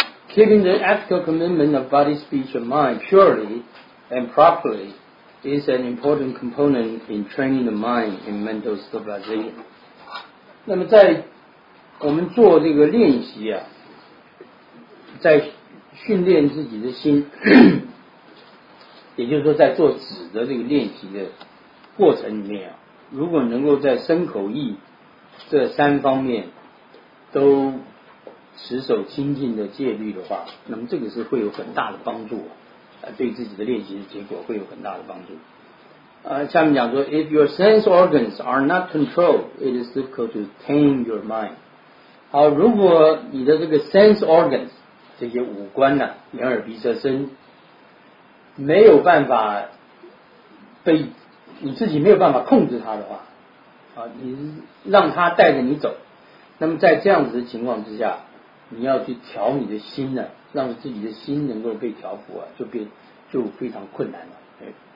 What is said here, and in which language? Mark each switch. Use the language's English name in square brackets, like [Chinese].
[English] Keeping the ethical commitment of body, speech, and mind purely and properly is an important component in training the mind in mental stabilization. [Chinese] 那么在我们做这个练习啊，在训练自己的心，也就是说在做止的这个练习的过程里面啊，如果能够在身口意这三方面都持守清净的戒律的话，那么这个是会有很大的帮助，对自己的练习的结果会有很大的帮助。下面讲说 [English] If your sense organs are not controlled, it is difficult to tame your mind. [Chinese] 好，如果你的这个 [English] sense organs [Chinese] 这些五官啊，眼耳鼻舌身没有办法被你自己没有办法控制它的话，你让它带着你走，那么在这样子的情况之下，你要去调你的心呢，让自己的心能够被调服啊，就非常困难了。